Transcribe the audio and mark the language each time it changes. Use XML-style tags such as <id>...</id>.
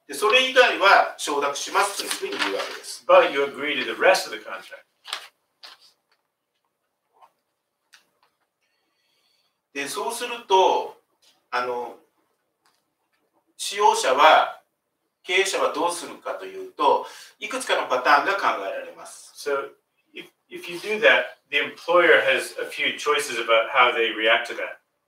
<ja>で、それ以外は承諾しますというふうに言うわけです。</ja> <en>But you agree to the rest of the contract.</en> <ja>で、そうすると、使用者は経営者はどうするかというと、いくつかのパターンが考えられます。</ja> <en>So, if you do that, the employer has a few choices about how they react to that.</en>